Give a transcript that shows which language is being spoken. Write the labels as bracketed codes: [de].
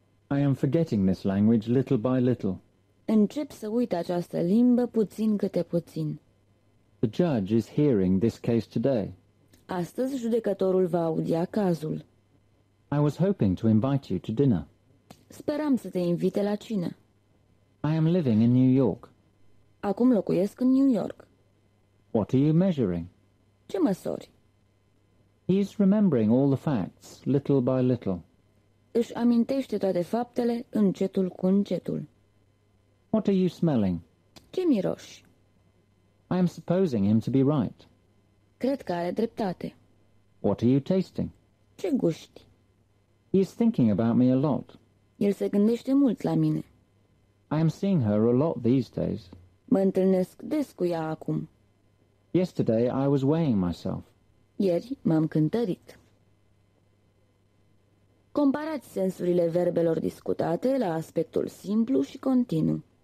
[en] I am forgetting this language little by little. [ro] Încep să uit această limbă puțin câte puțin. [en] The judge is hearing this case today. [ro] Astăzi judecătorul va audia cazul. [en] I was hoping to invite you to dinner. [ro] Speram să te invite la cină. [en] I am living in New York. [ro] Acum locuiesc în New York. [en] What are you measuring? [ro] Ce măsori? [en] He is remembering all the facts, little by little. [ro] Își amintește toate faptele, încetul cu încetul. [en] What are you smelling? [ro] Ce miroși? [en] I am supposing him to be right. [ro] Cred că are dreptate. [en] What are you tasting? [ro] Ce gusti? [en] He is thinking about me a lot. [ro] El se gândește mult la mine. [en] I am seeing her a lot these days. [ro] Mă întâlnesc des cu ea acum. [en] Yesterday I was weighing myself. [ro] Ieri m-am cântărit. Comparați sensurile verbelor discutate la aspectul simplu și continuu.